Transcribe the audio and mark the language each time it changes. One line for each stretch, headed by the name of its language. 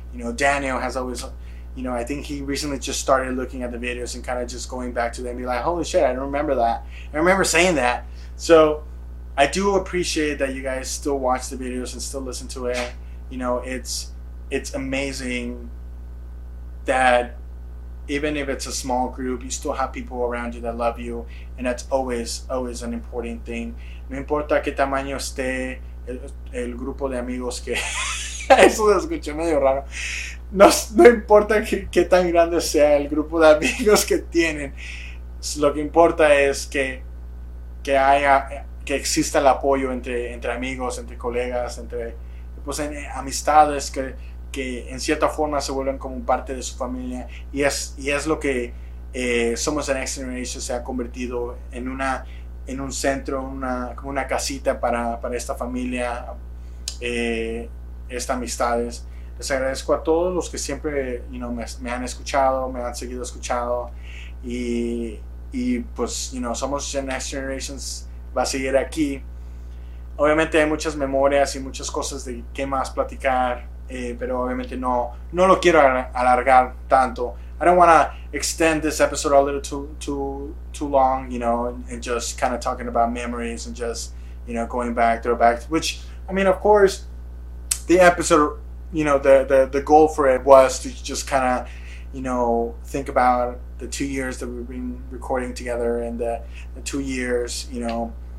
English: You know, Daniel has always, you know, I think he recently just started looking at the videos and kind of just going back to them and be like, holy shit, I don't remember that. I remember saying that. So I do appreciate that you guys still watch the videos and still listen to it. You know, it's amazing that even if it's a small group, you still have people around you that love you. And that's always, always an important thing.
Spanish: No importa qué tamaño esté el grupo de amigos que eso se escuchó medio raro. No importa qué tan grande sea el grupo de amigos que tienen, lo que importa es que exista el apoyo entre amigos, entre colegas, entre amistades que en cierta forma se vuelven como parte de su familia, y es lo que Somos the Next Generation se ha convertido en un centro, una casita para esta familia, estas amistades. Les agradezco a todos los que siempre,
English: you know,
Spanish: me han escuchado, me han seguido escuchando, y pues, you know, Somos the Next Generation va a seguir aquí. Obviamente hay muchas memorias y muchas cosas de qué más platicar, pero obviamente no lo quiero alargar tanto.
English: I don't want to extend this episode a little too long, you know, and just kind of talking about memories and just, you know, going back, throwback, which, I mean, of course, the episode, you know, the goal for it was to just kind of, you know, think about the 2 years that we've been recording together and the 2 years, you know,